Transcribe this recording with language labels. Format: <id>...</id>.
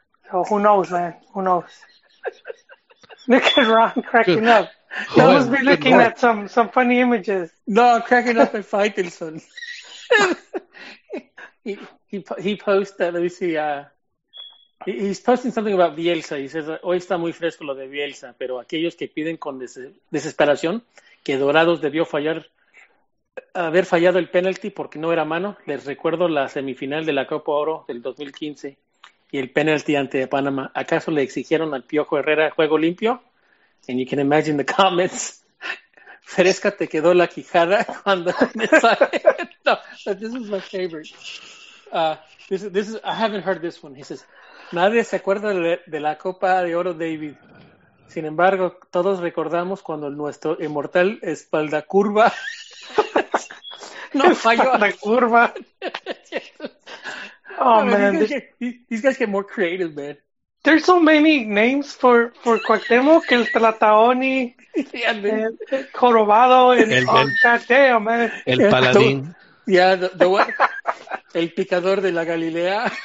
<en>So who knows, man? Who knows? Look at Ron cracking up. Oh, I must be looking at some funny images. No, I'm cracking up at Feitelson. He posts that, let me see, he's posting something about Bielsa. He says,</en> <es>hoy está muy fresco lo de Bielsa, pero aquellos que piden con desesperación que Dorados debió haber fallado el penalti porque no era mano, les recuerdo la semifinal de la Copa Oro del 2015 y el penalti ante Panamá. ¿Acaso le exigieron al Piojo Herrera juego limpio?</es> <en>And you can imagine the comments.</en> <es>Fresca te quedó la quijada cuando me salió.</es> <en>No, this is my favorite. This is I haven't heard this one. He says,</en> <es>nadie se acuerda de la Copa de Oro, David. Sin embargo, todos recordamos cuando nuestro inmortal espalda curva no falló la curva.</es> <en>Oh, no, man, these guys get more creative, man. There's so many names for Cuauhtémoc, el Tlataoni, el Jorobado,</en> <es>el Paladín. Yeah, el picador de la Galilea.</es>